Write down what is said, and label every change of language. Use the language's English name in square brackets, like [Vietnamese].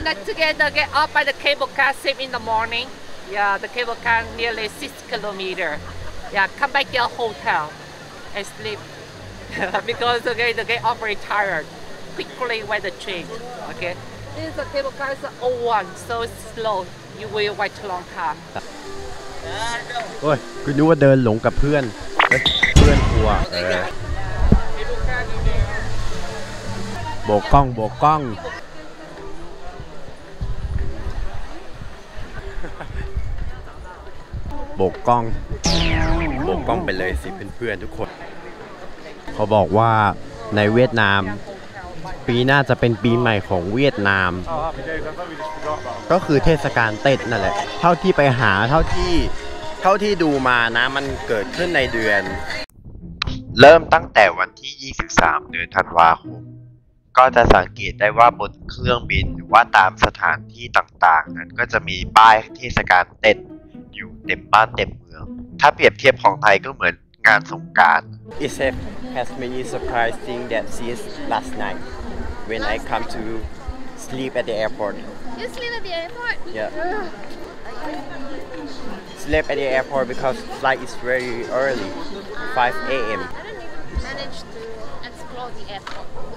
[English] Let's together get up by the cable car 7 in the morning. Yeah, the cable car nearly 6 kilometer. Yeah, come back to your hotel and sleep because okay, they get very tired quickly when the train. Okay. This is the cable car is an old one, so it's slow. You will wait a long time. [Thai] Oi, คุณนึกว่าเดินหลงกับเพื่อนเพื่อนกลัวโบกกล้องโบกกล้องโบกกล้องโบกกล้องไปเลยสิเพื่อนๆทุกคนเขาบอกว่าในเวียดนามปีหน้าจะเป็นปีใหม่ของเวียดนาม ก็คือเทศกาลเต็ดนั่นแหละเท่าที่ไปหาเท่าที่ดูมานะมันเกิดขึ้นในเดือนเริ่มตั้งแต่วันที่23เดือนธันวาคมก็จะสังเกตได้ว่าบนเครื่องบินว่าตามสถานที่ต่างๆนั้นก็จะมีป้ายเทศกาลเต็ดอยู่เต็มบ้านเต็มเมืองถ้าเปรียบเทียบของไทยก็เหมือนงานสงกรานต์ [English] It has many surprising things that since last night when I come to sleep at the airport. You sleep at the airport? Yeah. Sleep at the airport because flight is very early, 5 a.m. I don't even manage to explore the airport.